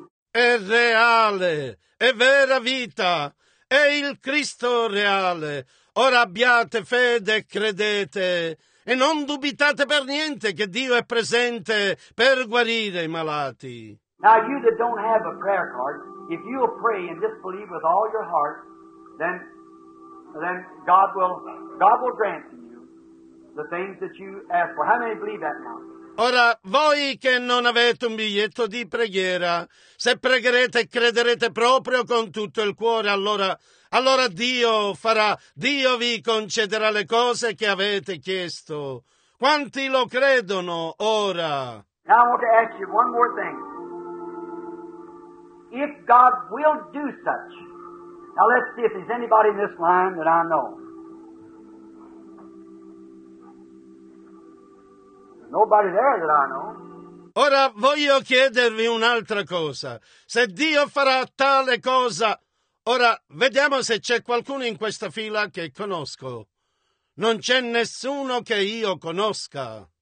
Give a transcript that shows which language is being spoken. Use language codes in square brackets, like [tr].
[it] È reale, è vera vita, è il Cristo reale. Ora abbiate fede e credete, e non dubitate per niente che Dio è presente per guarire i malati. [en] Now you that don't have a prayer card, if you will pray and just believe with all your heart, then God will grant you the things that you ask for. How many believe that now? [it] Ora, voi che non avete un biglietto di preghiera, se pregherete e crederete proprio con tutto il cuore, allora Dio farà, Dio vi concederà le cose che avete chiesto. Quanti lo credono ora? [en] Now I want to ask you one more thing. If God will do such, now let's see if there's anybody in this line that I know. Nobody there that I know. [it] Ora voglio chiedervi un'altra cosa. Se Dio farà tale cosa, ora vediamo se c'è qualcuno in questa fila che conosco. Non c'è nessuno che io conosca.